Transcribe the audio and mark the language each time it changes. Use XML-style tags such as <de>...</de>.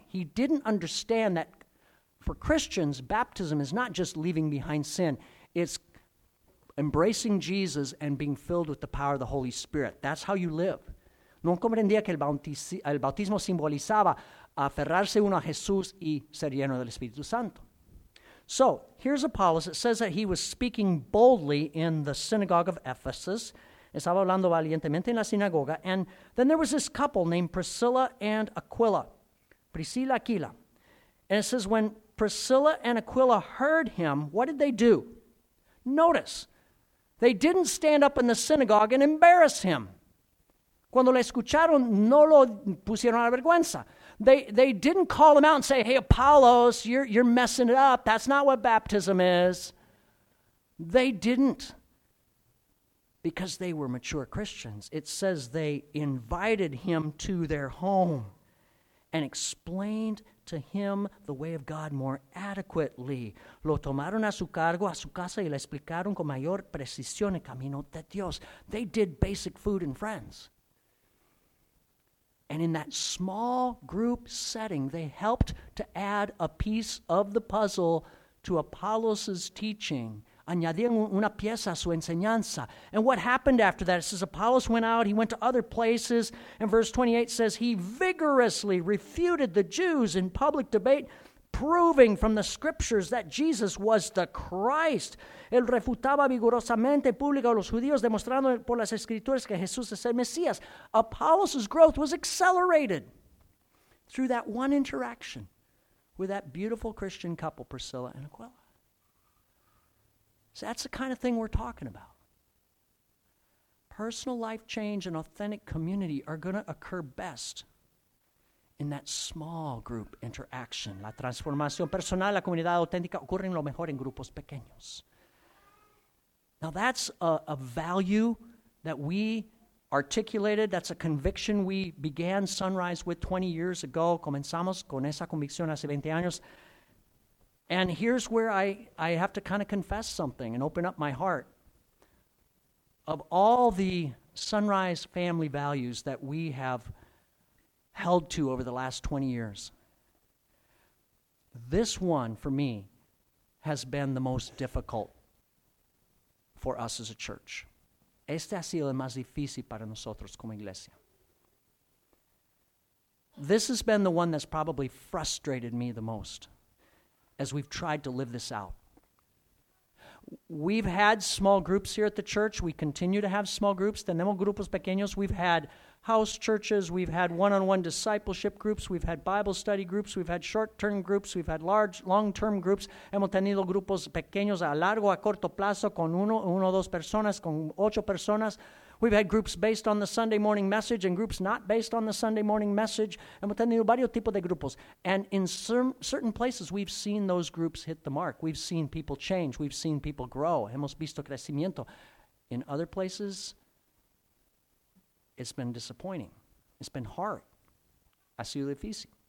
<en>He didn't understand that for Christians, baptism is not just leaving behind sin. It's embracing Jesus and being filled with the power of the Holy Spirit. That's how you live.</en> <es>No comprendía que el bautismo simbolizaba aferrarse uno a Jesús y ser lleno del Espíritu Santo.</es> <en>So, here's Apollos. It says that he was speaking boldly in the synagogue of Ephesus. Estaba hablando valientemente en la sinagoga. And then there was this couple named Priscilla and Aquila. Priscilla Aquila. And it says when Priscilla and Aquila heard him, what did they do? Notice, they didn't stand up in the synagogue and embarrass him.</en> <es>Cuando le escucharon, no lo pusieron a la vergüenza.</es> <en>They didn't call him out and say, hey, Apollos, you're messing it up. That's not what baptism is. They didn't. Because they were mature Christians. It says they invited him to their home and explained to him the way of God more adequately.</en> <es>Lo tomaron a su cargo, a su casa, y le explicaron con mayor precisión el camino de Dios.</es> <en>They did basic food and friends. And in that small group setting, they helped to add a piece of the puzzle to Apollos' teaching. Añadían una pieza a su enseñanza. And what happened after that? It says Apollos went out, he went to other places. And verse 28 says, he vigorously refuted the Jews in public debate, proving from the scriptures that Jesus was the Christ.</en> <es>Él refutaba vigorosamente público a los judíos, demostrando por las escrituras que Jesús es el Mesías.</es> <en>Apollos' growth was accelerated through that one interaction with that beautiful Christian couple, Priscilla and Aquila. So that's the kind of thing we're talking about. Personal life change and authentic community are going to occur best in that small group interaction.</en> <es>La transformación personal, la comunidad auténtica, ocurren lo mejor en grupos pequeños.</es> <en>Now that's a value that we articulated. That's a conviction we began Sunrise with 20 years ago. Comenzamos con esa convicción hace 20 años. And here's where I have to kind of confess something and open up my heart. Of all the Sunrise family values that we have held to over the last 20 years, this one, for me, has been the most difficult for us as a church.</en> <es>Este ha sido el más difícil para nosotros como iglesia.</es> <en>This has been the one that's probably frustrated me the most as we've tried to live this out. We've had small groups here at the church. We continue to have small groups. Tenemos grupos pequeños. We've had house churches. We've had one-on-one discipleship groups. We've had Bible study groups. We've had short-term groups. We've had large, long-term groups.</en> <es>Hemos tenido grupos pequeños a largo, a corto plazo, con uno o dos personas, con ocho personas.</es> <en>We've had groups based on the Sunday morning message and groups not based on the Sunday morning message. Hemos tenido varios tipos de grupos. And in certain places, we've seen those groups hit the mark. We've seen people change. We've seen people grow. Hemos visto crecimiento. In other places, it's been disappointing. It's been hard. Ha sido difícil.</en>